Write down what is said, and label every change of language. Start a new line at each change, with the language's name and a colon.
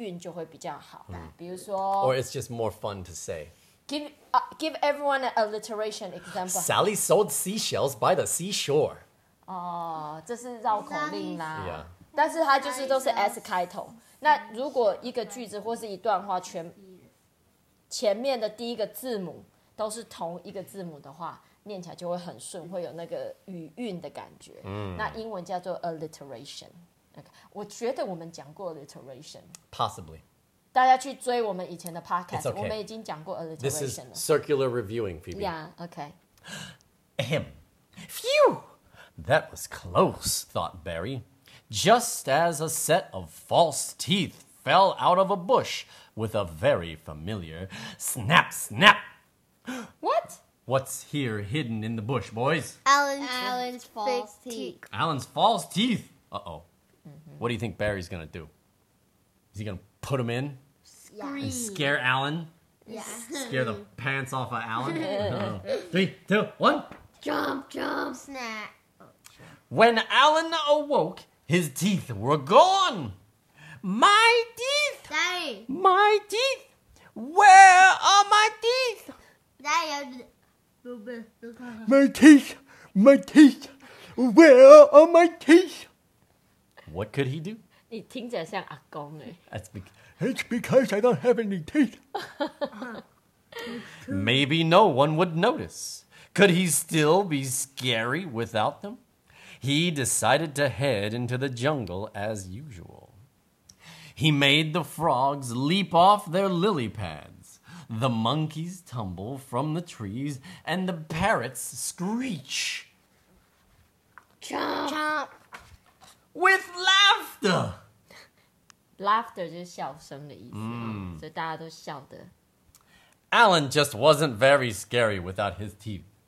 English: Or it's just more fun to say. Give everyone an alliteration example. Sally sold seashells by the seashore.
Chinese: Oh, 这是绕口令啦。
English: Yeah.
Chinese: 但是它就是都是S开头。那如果一个句子或是一段话，前面的第一个字母都是同一个字母的话，念起来就会很顺，会有那个语韵的感觉。那英文叫做 alliteration。我觉得我们讲过 alliteration。
English: Possibly。
Chinese: 大家去追我们以前的 podcast，
English: okay.
Chinese: 我们已经讲过 alliteration 了。
English: This is circular reviewing, Phoebe. Yeah, okay. Ahem. Phew! That was close, thought Barry. Just as a set of false teeth fell out of a bush with a very familiar snap, snap. What? What's here hidden in the bush, boys? Alan's false teeth. Alan's false teeth. Uh-oh. What do you think Barry's going to do? Is he going to put him in? Scream. And scare Alan? Yeah. Scare the pants off of Alan? Three, two, one. Jump, jump, snap. When Alan awoke, his teeth were gone. My teeth! Daddy! My teeth! Where are my teeth? Daddy, my teeth! My teeth! Where are my teeth? What could he do?
Chinese: 你听着像阿公诶。
English: It's because I don't have any teeth. Maybe no one would notice. Could he still be scary without them? He decided to head into the jungle as usual. He made the frogs leap off their lily pads, the monkeys tumble from the trees, and the parrots screech. Chomp! With laughter!
Chinese: Laughter就是笑声的意思，所以大家都笑的。
English: Alan just wasn't very scary without his teeth.